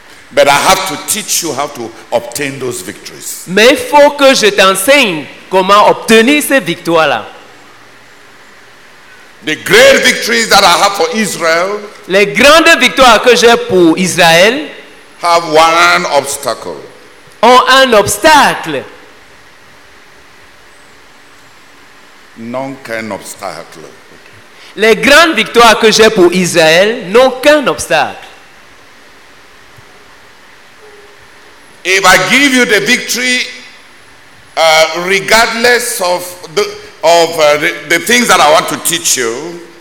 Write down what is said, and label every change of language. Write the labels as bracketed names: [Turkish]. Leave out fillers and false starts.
[English] But I have to teach you how to obtain those victories. [French] Mais il faut que je t'enseigne comment obtenir ces victoires-là. [English] The great victories that I have for Israel. [French] Les grandes victoires que j'ai pour Israël. [English] Have one obstacle. [French] Ont un obstacle. N'ont qu'un obstacle. Les grandes victoires que j'ai pour Israël n'ont qu'un obstacle. [English] If I give you the victory, regardless of the things that I want to teach you.